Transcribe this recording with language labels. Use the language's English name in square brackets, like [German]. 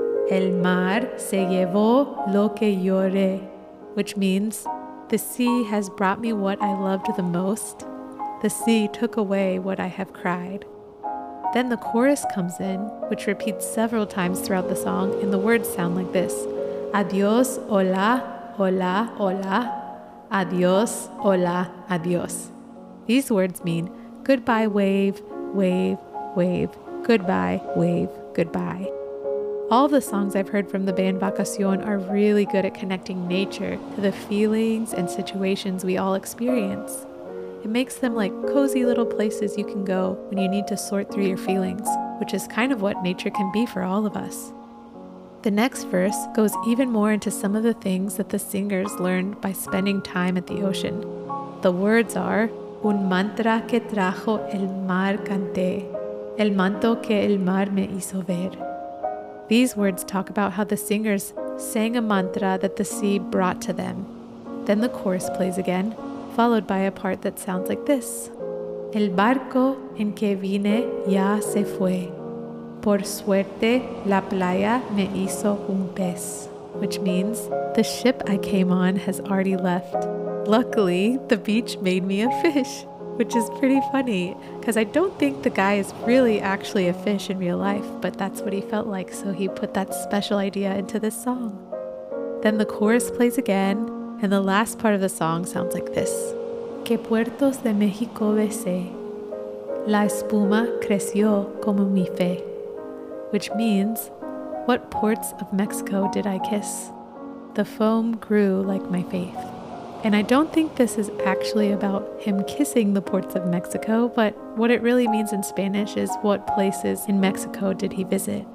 [Spanish] El mar se llevó lo que lloré. [English] Which means, the sea has brought me what I loved the most. The sea took away what I have cried. Then the chorus comes in, which repeats several times throughout the song, and the words sound like this. [Spanish] Adiós, hola, hola, hola. Adiós, hola, adiós. [English] These words mean goodbye wave, wave, wave, goodbye wave, goodbye. All the songs I've heard from the band Vacación are really good at connecting nature to the feelings and situations we all experience. It makes them like cozy little places you can go when you need to sort through your feelings, which is kind of what nature can be for all of us. The next verse goes even more into some of the things that the singers learned by spending time at the ocean. The words are, [Spanish] un mantra que trajo el mar canté, el manto que el mar me hizo ver. [English] These words talk about how the singers sang a mantra that the sea brought to them. Then the chorus plays again, followed by a part that sounds like this. [Spanish] El barco en que vine ya se fue. Por suerte, la playa me hizo un pez. [English] Which means, the ship I came on has already left. Luckily, the beach made me a fish. Which is pretty funny, because I don't think the guy is really actually a fish in real life, but that's what he felt like, so he put that special idea into this song. Then the chorus plays again, and the last part of the song sounds like this. [Spanish] Que puertos de México besé, la espuma creció como mi fe. [English] Which means, what ports of Mexico did I kiss? The foam grew like my faith. And I don't think this is actually about him kissing the ports of Mexico, but what it really means in Spanish is what places in Mexico did he visit.